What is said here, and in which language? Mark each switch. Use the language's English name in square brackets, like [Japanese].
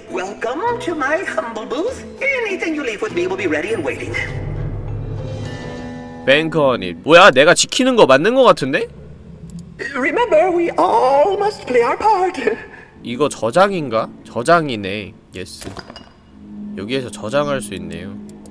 [English] Welcome to my humble booth. Anything you leave with me will be ready and waiting. [Korean] 뱅커니 뭐야 내가 지키는 거 맞는 거 같은데? [English] Remember we all must play our part. [Korean] 이거 저장인가? 저장이네. 예스. 여기에서 저장할 수 있네요.